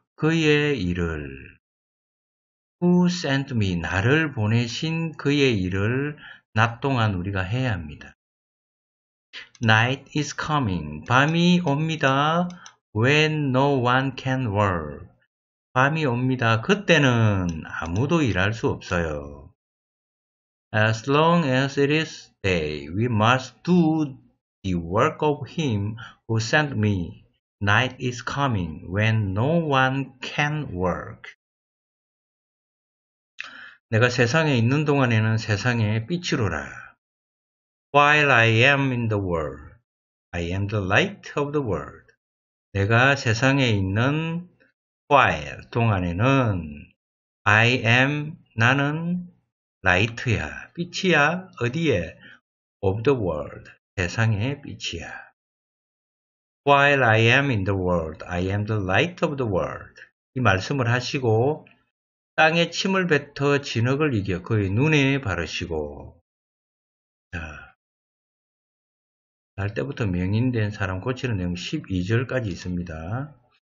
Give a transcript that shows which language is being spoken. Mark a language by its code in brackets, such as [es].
[ko] 그의 일을. [en] Who sent me, [ko] 나를 보내신 그의 일을 낮 동안 우리가 해야 합니다. [en] Night is coming. [ko] 밤이 옵니다. [en] When no one can work. [ko] 밤이 옵니다. 그때는 아무도 일할 수 없어요. [en] As long as it is day, we must do the work of him who sent me. Night is coming when no one can work. [ko] 내가 세상에 있는 동안에는 세상에 빛으로라. [en] While I am in the world, I am the light of the world. [ko] 내가 세상에 있는 while 동안에는 [en] I am [ko] 나는 light야 빛이야 어디에 [en] of the world [ko] 세상에 빛이야. [en] While I am in the world, I am the light of the world. [ko] 이 말씀을 하시고 땅에 침을 뱉어 진흙을 이겨 그의 눈에 바르시고 자, 날 때부터 명인된 사람 고치는 내용 12절까지 있습니다.